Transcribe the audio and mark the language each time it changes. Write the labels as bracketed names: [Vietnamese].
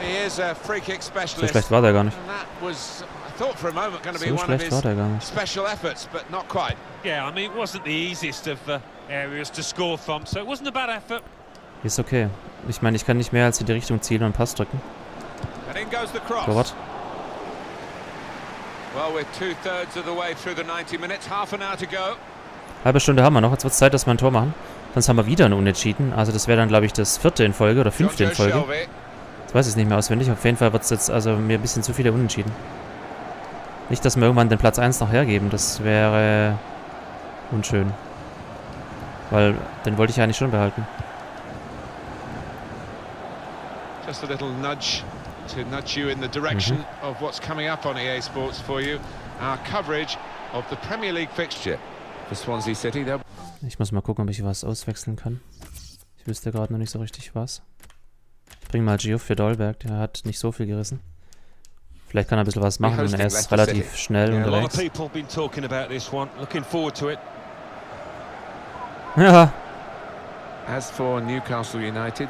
[German] So schlecht war der gar nicht. So schlecht war der gar nicht. [English] Special efforts, but not quite. Yeah, I mean, it wasn't the easiest of areas to score from, so it wasn't a bad effort. [German] Ist okay. Ich meine, ich kann nicht mehr als in die Richtung zielen und Pass drücken. [English] And in goes the cross. [German] Torwart. [English] Well, we're two-thirds of the way through the 90 minutes, half an hour to go. [German] Halbe Stunde haben wir noch. Jetzt wird es Zeit, dass wir ein Tor machen. Sonst haben wir wieder einen Unentschieden. Also das wäre dann, glaube ich, das vierte in Folge oder fünfte in Folge. Ich weiß es nicht mehr auswendig. Auf jeden Fall wird es jetzt also mir ein bisschen zu viele Unentschieden. Nicht, dass wir irgendwann den Platz 1 noch hergeben. Das wäre unschön. Weil den wollte ich eigentlich schon behalten. [English] Just a little nudge to nudge you in the direction of what's coming up on EA Sports for you. Our coverage of the Premier League fixture for Swansea City. [German] Ich muss mal gucken, ob ich was auswechseln kann. Ich wüsste gerade noch nicht so richtig was. Ich bring mal Gio für Dolberg, der hat nicht so viel gerissen. Vielleicht kann er ein bisschen was machen, denn er ist relativ schnell unterwegs. Ja.